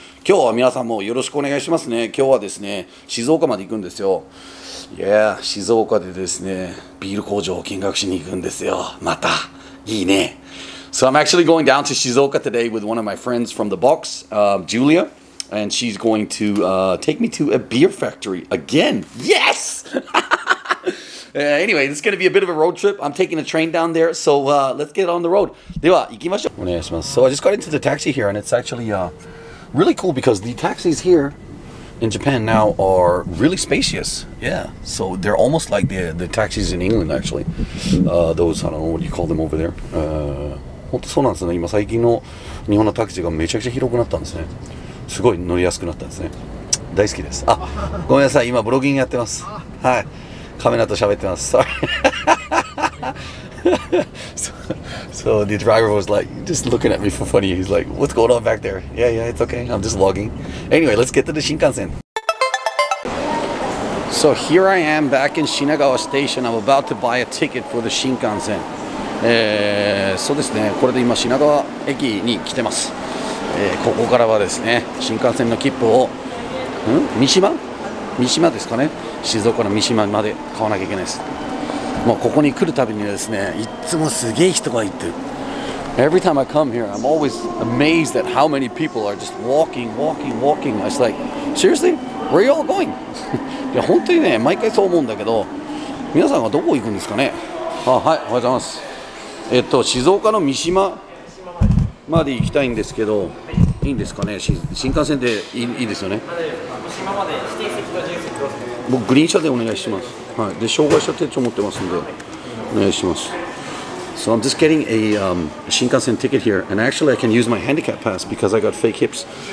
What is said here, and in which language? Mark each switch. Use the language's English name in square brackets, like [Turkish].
[Japanese] 今日は皆さんもよろしくお願いしますね。今日はですね、静岡まで行くんですよ。いや、静岡でですね、ビール工場を見学しに行くんですよ。また。いいね。 [English] So I'm actually going down to Shizuoka today with one of my friends from the box, Julia. And she's going to take me to a beer factory again. Yes! anyway, it's going to be a bit of a road trip. I'm taking a train down there, so let's get on the road. [Japanese] では、行きましょう。お願いします。 [English] So I just got into the taxi here, and it's actually really cool because the taxis here in Japan now are really spacious. Yeah, so they're almost like the taxis in England, actually. Those, I don't know, what do you call them over there? [Japanese] 本当そうなんですね。今、最近の日本のタクシーがめちゃくちゃ広くなったんですね。すごい乗りやすくなったんですね。大好きです。あ、ごめんなさい。今、ブロギングやってます。はい。カメラと喋ってます。 [English] Sorry. so the driver was like, just looking at me for funny. He's like, what's going on back there? Yeah, yeah, it's okay. I'm just vlogging. Anyway, let's get to the Shinkansen. So here I am back in Shinagawa Station. I'm about to buy a ticket for the Shinkansen. [Japanese] そうですね、これで今品川駅に来てます、ここからはですね、新幹線の切符を三島ですかね、静岡の三島まで買わなきゃいけないです。もうここに来るたびにですね、いつもすげえ人がいて、 [English] Every time I come here, I'm always amazed at how many people are just walking. I was like, seriously? Where are you all going? [Japanese] いや本当にね、毎回そう思うんだけど、皆さんはどこ行くんですかね。あ、はい、おはようございます。静岡の三島まで行きたいんですけど、いいんですかね、新幹線でいいですよね。島まで指定席と自由席どうですか。僕グリーン車でお願いします。はい、で障害者手帳持ってますんで、はい、お願いします。 [English] So I'm just getting a 新幹線 ticket here, and actually I can use my handicap pass because I got fake hips.